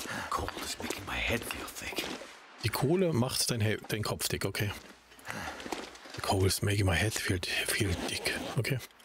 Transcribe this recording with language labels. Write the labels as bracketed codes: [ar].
[en] Cold is making my head feel thick. [de] Die Kohle macht dein Kopf dick, okay. [en] The cold is making my head feel thick, okay.